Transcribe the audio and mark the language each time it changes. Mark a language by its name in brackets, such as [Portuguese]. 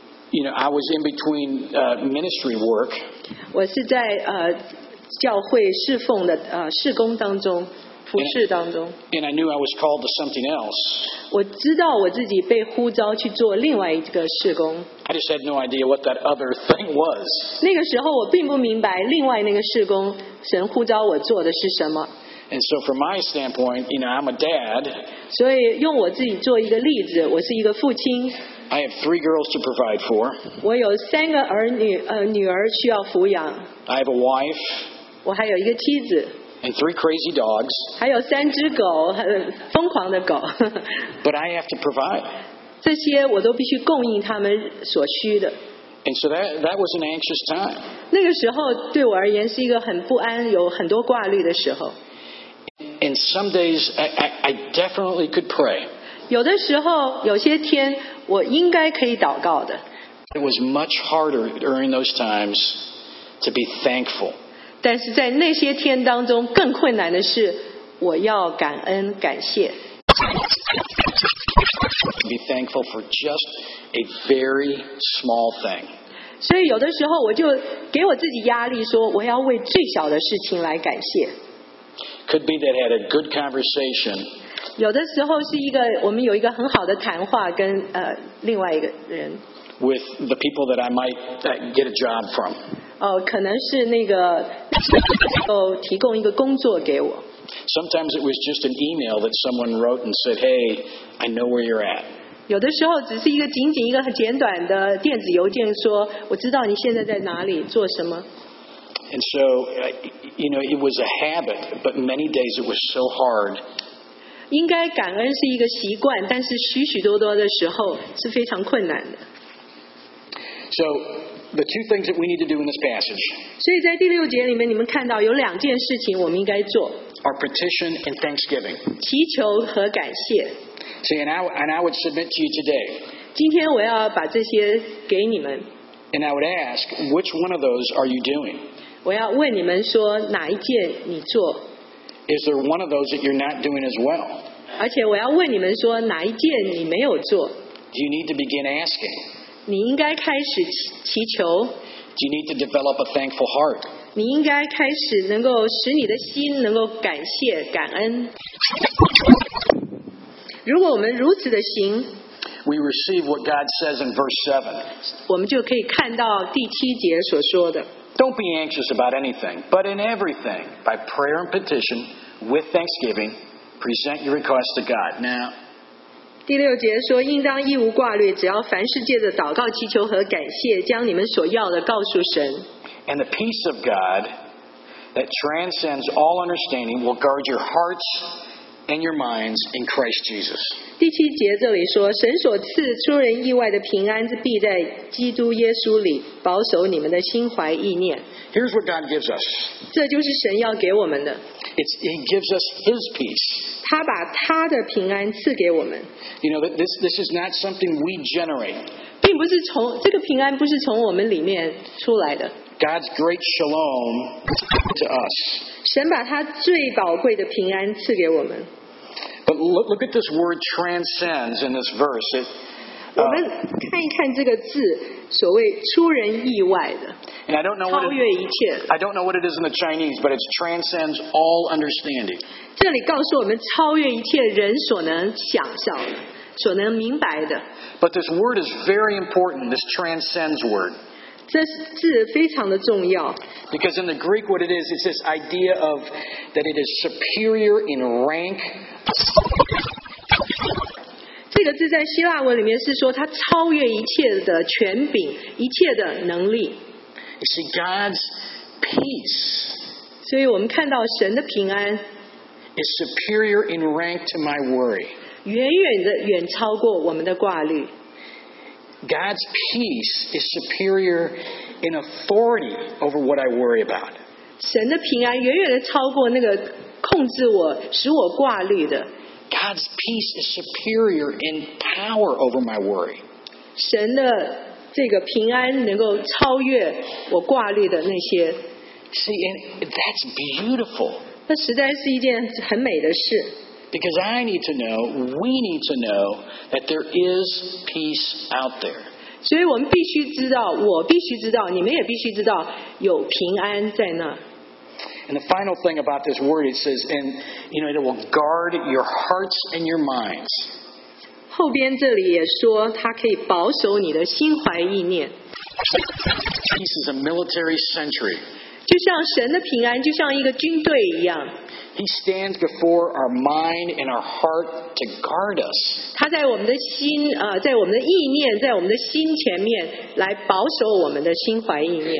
[English] You know, I was in between ministry work. [Chinese] 我是在教会侍奉的事工当中，服事当中。 [English] And I knew I was called to something else. [Chinese] 我知道我自己被呼召去做另外一个事工。 [English] I just had no idea what that other thing was. [Chinese] 那个时候我并不明白另外那个事工神呼召我做的是什么。 [English] And so from my standpoint, you know, I'm a dad. [Chinese] 所以用我自己做一个例子，我是一个父亲。 [English] I have three girls to provide for. [Chinese] 我有三个儿女，女儿需要抚养。 [English] I have a wife. [Chinese] 我还有一个妻子。 [English] And three crazy dogs. [Chinese] 还有三只狗，疯狂的狗。 [English] But I have to provide. [Chinese] 这些我都必须供应他们所需的。 [English] And so that was an anxious time. [Chinese] 那个时候对我而言是一个很不安，有很多挂虑的时候。 [English] And some days I definitely could pray. [Chinese] 有的时候，有些天我应该可以祷告的。 [English] It was much harder during those times to be thankful. [Chinese] 但是在那些天当中，更困难的是我要感恩感谢。 [English] Be thankful for just a very small thing. [Chinese] 所以有的时候我就给我自己压力，说我要为最小的事情来感谢。 [English] Could be that had a good conversation. [Chinese] 有的时候是一个我们有一个很好的谈话跟另外一个人。 [English] With the people that I might get a job from. [Chinese] 可能是那个能够提供一个工作给我。 [English] Sometimes it was just an email that someone wrote and said, "Hey, I know where you're at." [Chinese] 有的时候只是一个仅仅一个很简短的电子邮件说，我知道你现在在哪里做什么。 [English] And so, you know, it was a habit, but many days it was so hard. [Chinese] 应该感恩是一个习惯，但是许许多多的时候是非常困难的。 [English] So, the two things that we need to do in this passage. [Chinese] 所以在第六节里面，你们看到有两件事情我们应该做。 [English] Our petition and thanksgiving. [Chinese] 祈求和感谢。 [English] See, and I would submit to you today. [Chinese] 今天我要把这些给你们。 [English] And I would ask, which one of those are you doing? [Chinese] 我要问你们说哪一件你做 [English] Is there one of those that you're not doing as well? [Chinese] 而且我要问你们说哪一件你没有做 [English] Do you need to begin asking? [Chinese] 你应该开始祈求 [English] Do you need to develop a thankful heart? [Chinese] 你应该开始能够使你的心能够感谢感恩如果我们如此的行 [English] we receive what God says in verse 7. [Chinese] 我们就可以看到第七节所说的。 [English] Don't be anxious about anything, but in everything, by prayer and petition, with thanksgiving, present your requests to God. Now, [Chinese] 第六节说，应当一无挂虑，只要凡事借着祷告、祈求和感谢，将你们所要的告诉神。 [English] And the peace of God that transcends all understanding will guard your hearts and your minds in Christ Jesus. [Chinese] 第七节这里说，神所赐出人意外的平安，必在基督耶稣里保守你们的心怀意念。 [English] Here's what God gives us. [Chinese] 这就是神要给我们的。 [English] He gives us His peace. [Chinese] 他把他的平安赐给我们。 [English] You know, this is not something we generate. [Chinese] 并不是从这个平安不是从我们里面出来的。 [English] God's great shalom to us. [Chinese] 神把他最宝贵的平安赐给我们。 [English] But look at this word transcends in this verse. [Chinese] 我们看一看这个字，所谓出人意外的。 [English] And I don't know what [Chinese] 超越一切。 [English] I don't know what it is in the Chinese, but it transcends all understanding. [Chinese] 这里告诉我们超越一切人所能想象的，所能明白的。 [English] But this word is very important, this transcends word. [Chinese] 这字非常的重要。 [English] Because in the Greek, what it is, it's this idea of that it is superior in rank. [Chinese] 这个字在希腊文里面是说它超越一切的权柄，一切的能力。 [English] You see, God's peace. [Chinese] 所以我们看到神的平安 [English] is superior in rank to my worry. [Chinese] 远远的远超过我们的挂虑。 [English] God's peace is superior in authority over what I worry about. [Chinese] 神的平安远远的超过那个控制我、使我挂虑的。 [English] God's peace is superior in power over my worry. [Chinese] 神的这个平安能够超越我挂虑的那些。 [English] See, and that's beautiful. [Chinese] 那实在是一件很美的事。 [English] Because I need to know, we need to know that there is peace out there. [Chinese] 所以我们必须知道，我必须知道，你们也必须知道，有平安在那。 [English] And the final thing about this word, it says, and you know, it will guard your hearts and your minds. [Chinese] 后边这里也说，它可以保守你的心怀意念。 [English] Peace is a military sentry. [Chinese] 就像神的平安，就像一个军队一样。 [English] He stands before our mind and our heart to guard us. [Chinese] 他在我们的心，在我们的意念，在我们的心前面来保守我们的心怀意念。